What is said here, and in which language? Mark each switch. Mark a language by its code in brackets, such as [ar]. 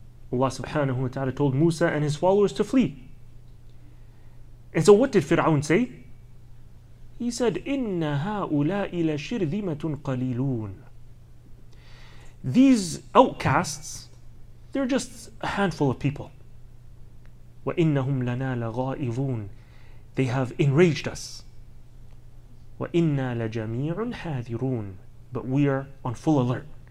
[en] Allah subhanahu wa ta'ala told Musa and his followers to flee. And so what did Fir'aun say? He said, [ar] إِنَّ هَؤُلَاءِ لَشِرْذِمَةٌ قَلِيلُونَ. [en] These outcasts, they're just a handful of people. [ar] وَإِنَّهُمْ لَنَا لَغَائِظُونَ. [en] They have enraged us. [ar] وَإِنَّا لَجَمِيعٌ حَاذِرُونَ. [en] But we are on full alert.